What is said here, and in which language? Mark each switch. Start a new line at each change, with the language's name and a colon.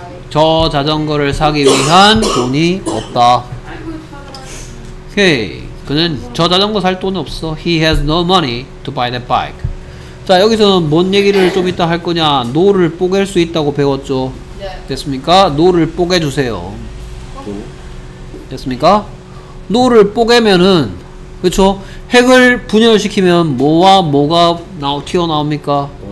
Korean: 저 자전거를 사기 위한 돈이 없다. 오케이. 그는 저 자전거 살 돈 없어.
English: He has no money to buy that bike.
Korean: 자, 여기서는 뭔 얘기를 좀 이따 할 거냐. No를 뽀갤 수 있다고 배웠죠. 됐습니까? No를 뽀개주세요. 됐습니까? No를 뽀개면은, 그쵸? 핵을 분열시키면 뭐와 뭐가 튀어나옵니까?